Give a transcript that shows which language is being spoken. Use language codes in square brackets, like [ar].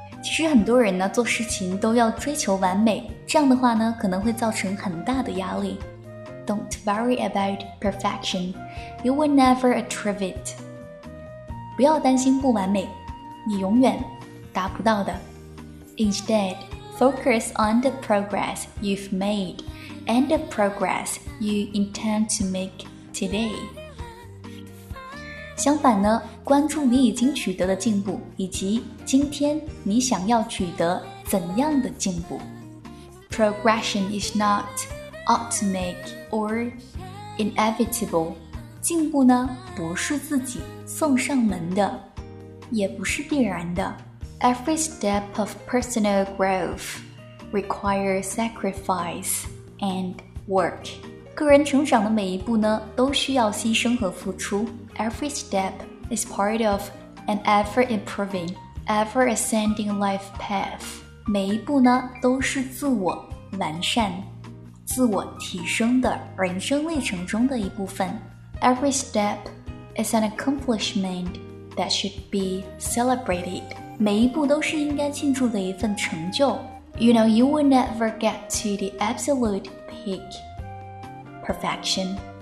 [zh] 其实很多人呢，做事情都要追求完美，这样的话呢，可能会造成很大的压力。 [en] Don't worry about perfection. You will never achieve it. [zh] 不要担心不完美，你永远达不到的。 [en] Instead, focus on the progress you've made and the progress you intend to make today. [zh] 相反呢，关注你已经取得的进步，以及今天你想要取得怎样的进步。 [en] Progression is not automatic or inevitable. [zh] 进步呢，不是自己送上门的，也不是必然的。 [en] Every step of personal growth requires sacrifice and work. [zh] 个人成长的每一步呢，都需要牺牲和付出。 [en] Every step is part of an ever-improving, ever-ascending life path. [zh] 每一步呢，都是自我完善、自我提升的人生历程中的一部分。 [en] Every step is an accomplishment that should be celebrated. [zh] 每一步都是应该庆祝的一份成就。 [en] You know, you will never get to the absolute peak perfection.